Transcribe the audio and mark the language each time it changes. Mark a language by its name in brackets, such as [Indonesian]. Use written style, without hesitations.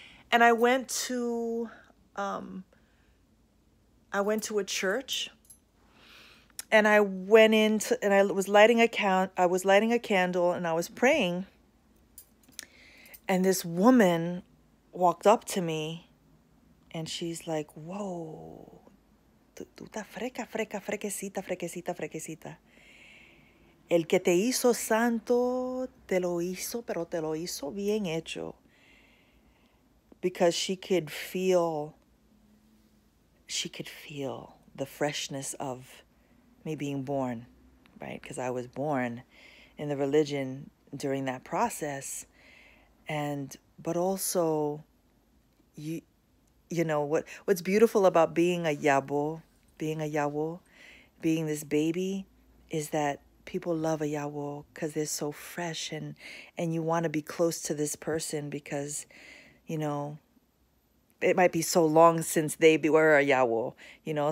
[English] And I went to a church, and I went in to, and I was lighting a candle and I was praying, and this woman walked up to me and she's like, whoa, [Spanish] tú estás freca, freca, frequecita, frequecita, frequecita. El que te hizo santo te lo hizo, pero te lo hizo bien hecho. [English] Because she could feel the freshness of me being born, right? Because I was born in the religion during that process. But also, you know, what's beautiful about being a yabo, being this baby, is that people love a yabo because they're so fresh and you want to be close to this person because, you know, it might be so long since they were a yawo, you know.